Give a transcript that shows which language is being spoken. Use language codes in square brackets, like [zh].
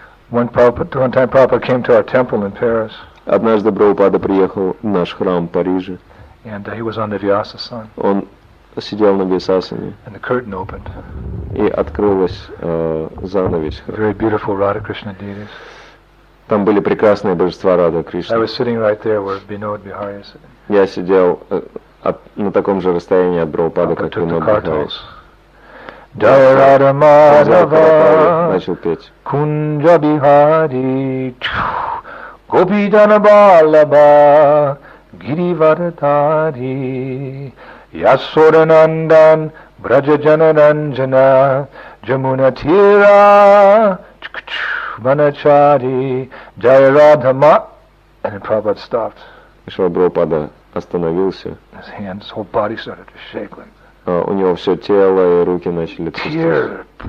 [en] One time Prabhupada came to our temple in Paris. [ru] Однажды Прабхупада приехал в наш храм в Париже. [en] And he was on the Vyasasan. [ru] Он сидел на Вьясасане. [en] And the curtain opened. [ru] И открылась занавес. [en] Very beautiful Radha Krishna deities. [ru] Там были прекрасные божества Радха Кришны. [en] I was sitting right there where Vinod Bihari is. [ru] Я сидел на таком же расстоянии от Прабхупады, как Vinod Bihari. [sa] Dharada Madhava [ru] начал петь. [sa] Kunja Bihari Gopidana Balaba Girivardhari Yasodanandan Braja Janaranjana Jamuna Tira Manachari Dharada Madhava. [en] And then Prabhupada stopped. [ru] Шрила Прабхупада остановился. [en] His hands, his whole body started to shake like. [ru] У него все тело и руки начали трястись.